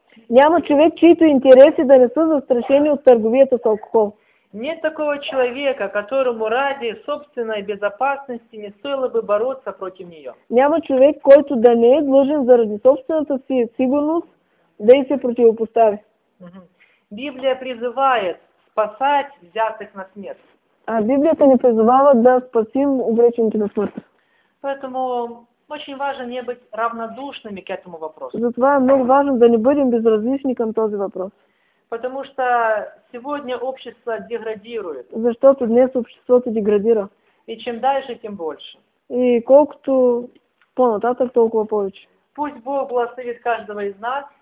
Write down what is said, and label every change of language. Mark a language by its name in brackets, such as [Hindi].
[Bulgarian] Няма човек, чието интереси да не са застрашени от търговията с алкохол. [Russian] Нет такого человека, которому ради собственной безопасности не стоило бы бороться против нее. [Bulgarian] Няма човек, който да не е длъжен заради собствената си сигурност да и се противопостави. [Russian] Библия призывает спасать взятых на смерть. [Bulgarian] А Библията не призывала да спасим увлечените на смърт. [Russian] Поэтому очень важно не быть равнодушными к этому вопросу. [Bulgarian] Затова е много важно да не бъдем безразлични към този въпрос. [Russian] Потому что сегодня общество деградирует. [Bulgarian] Защото днес обществото деградира. [Russian] И чем дальше, тем больше. [Bulgarian] И колкото по-нататък, толкова повече. [Russian] Пусть Бог благословит каждого из нас.